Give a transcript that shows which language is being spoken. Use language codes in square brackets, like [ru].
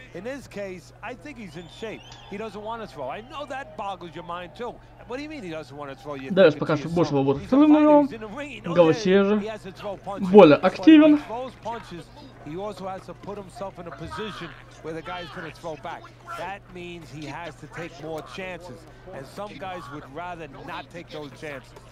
[en] In his case, I think he's in shape. He doesn't want to throw. I know that boggles your mind too. What do you mean he doesn't want to throw? You [ru] Дэвис пока что больше работает вторым номером. Гавасия же более активен. [en] He also has to put himself in a position where the guy's going to throw back. That means he has to take more chances. And some guys would rather not take those chances.